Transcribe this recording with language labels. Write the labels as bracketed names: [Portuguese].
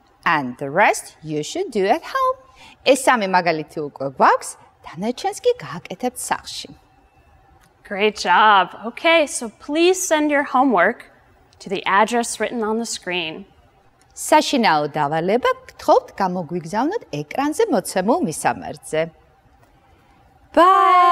[English] And the rest you should do at home. [Georgian] ეს სამი მაგალითი უკვე გვაქვს, დანარჩენს კი გააკეთებთ სახლში. [English] Great job. Okay, so please send your homework to the address written on the screen. [Georgian] საშინაო დავალება, გთხოვთ, გამოგვიგზავნოთ ეკრანზე მოცემულ მისამართზე. Bye.